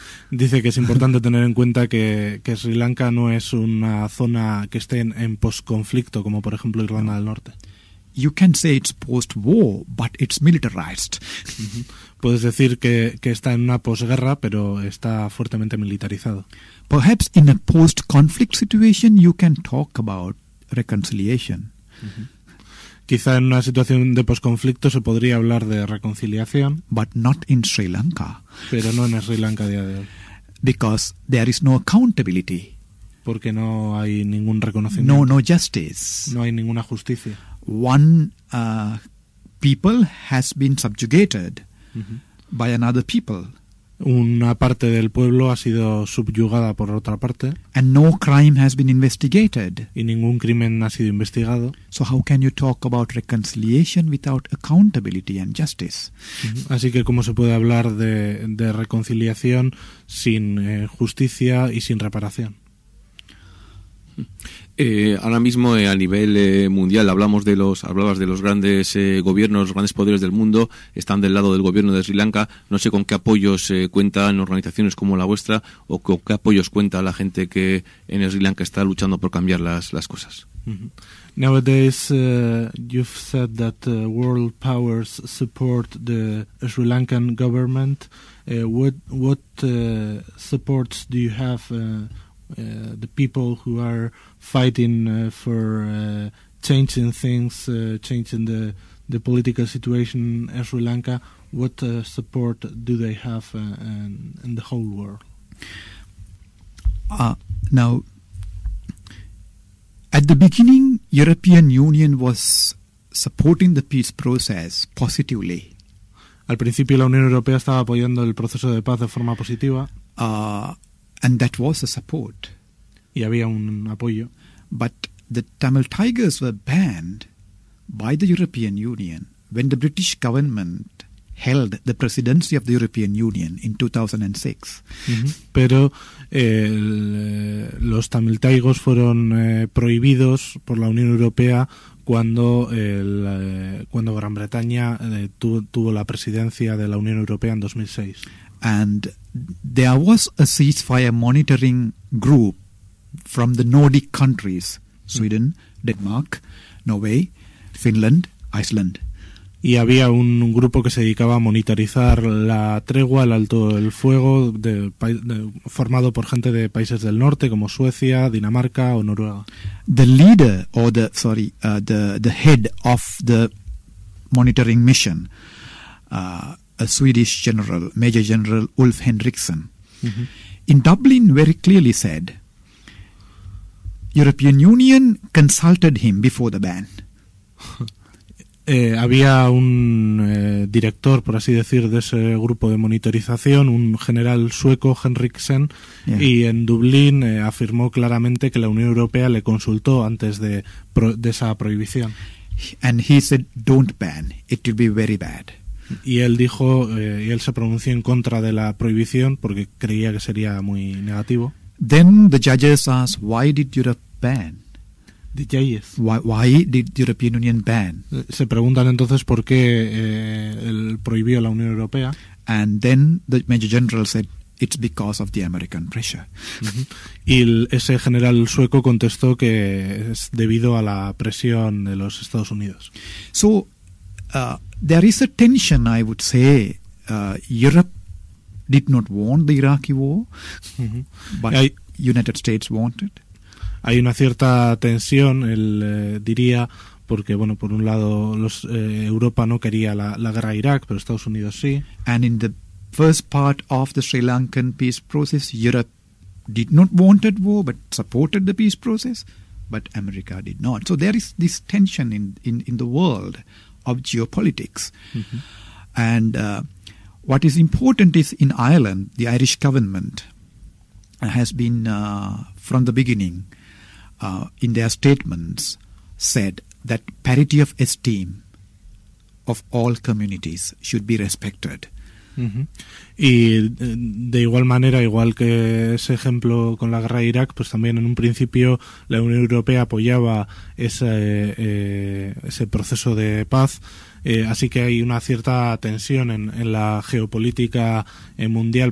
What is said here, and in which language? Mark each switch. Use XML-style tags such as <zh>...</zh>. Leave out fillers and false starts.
<es>Dice que es importante tener en cuenta que Sri Lanka no es una zona que esté en post-conflicto, como por ejemplo Irlanda del Norte.</es> <en>You can say it's post-war, but it's militarized.</en> <es>Puedes decir que está en una posguerra, pero está fuertemente militarizado.</es> <en>Perhaps in a post-conflict situation you can talk about reconciliation.</en> <es>Quizá en una situación de posconflicto se podría hablar de reconciliación.</es> <en>But not in Sri Lanka.</en> <es>Pero no en Sri Lanka a día de hoy.</es> <en>Because there is no accountability.</en> <es>Porque no hay ningún reconocimiento.</es> <en>No justice.</en> <es>No hay ninguna justicia.</es> <en>One people has been subjugated by another people.</en> <es>Una parte del pueblo ha sido subyugada por otra parte.</es> <en>And no crime has been investigated.</en> <es>Y ningún crimen ha sido investigado.</es> <en>So how can you talk about reconciliation without accountability and justice?</en> <es>Así que cómo se puede hablar de reconciliación sin justicia y sin reparación. Ahora mismo a nivel mundial hablabas de los grandes gobiernos, los grandes poderes del mundo están del lado del gobierno de Sri Lanka. No sé con qué apoyos cuentan organizaciones como la vuestra o con qué apoyos cuenta la gente que en Sri Lanka está luchando por cambiar las cosas.</es> <en>Nowadays you've said that world powers support the Sri Lankan government. What supports do you have the people who are fighting for changing things, changing the political situation in Sri Lanka, what support do they have in the whole world? Now, at the beginning, European Union was supporting the peace process positively.</en> <es>Al principio, la Unión Europea estaba apoyando el proceso de paz de forma positiva.</es> <en>And that was a support.</en> <es>Y había un apoyo.</es> <en>But the Tamil Tigers were banned by the European Union when the British government held the presidency of the European Union in 2006.</en> <es>Pero los Tamil Tigers fueron prohibidos por la Unión Europea cuando Gran Bretaña tuvo la presidencia de la Unión Europea en 2006.</es> <en>And there was a ceasefire monitoring group from the Nordic countries, Sweden, Denmark, Norway, Finland, Iceland.</en> <es>Y había un grupo que se dedicaba a monitorizar la tregua, el alto el fuego, formado por gente de países del norte como Suecia, Dinamarca o Noruega.</es> <en>The leader, or the sorry, the head of the monitoring mission, a Swedish general, Major General Ulf Henriksson, in Dublin very clearly said, European Union consulted him before the ban.</en> <es>Había un director, por así decir, de ese grupo de monitorización, un general sueco, Henriksen, y en Dublín afirmó claramente que la Unión Europea le consultó antes de esa prohibición.</es> <en>And he said, don't ban, it will be very bad.</en> <es>Y él dijo, y él se pronunció en contra de la prohibición porque creía que sería muy negativo.</es> <en>Then the judges asked, why did Europe ban? The judges. Why did the European Union ban?</en> <es>Se preguntan entonces por qué él prohibió la Unión Europea.</es> <en>And then the Major General said, it's because of the American pressure.</en> <es>Y ese general sueco contestó que es debido a la presión de los Estados Unidos.</es> <en>So, there is a tension, I would say. Europe did not want the Iraqi war, but United States wanted.</en> <es>Hay una cierta tensión, él diría, porque bueno, por un lado Europa no quería la guerra a Irak, pero Estados Unidos sí.</es> <en>And in the first part of the Sri Lankan peace process, Europe did not wanted war, but supported the peace process, but America did not. So there is this tension in the world of geopolitics. And what is important is in Ireland, the Irish government has been from the beginning in their statements said that parity of esteem of all communities should be respected.</en> <es>Y de igual manera, igual que ese ejemplo con la guerra de Irak, pues también en un principio la Unión Europea apoyaba ese proceso de paz. Así que hay una cierta tensión en la geopolítica mundial.</es>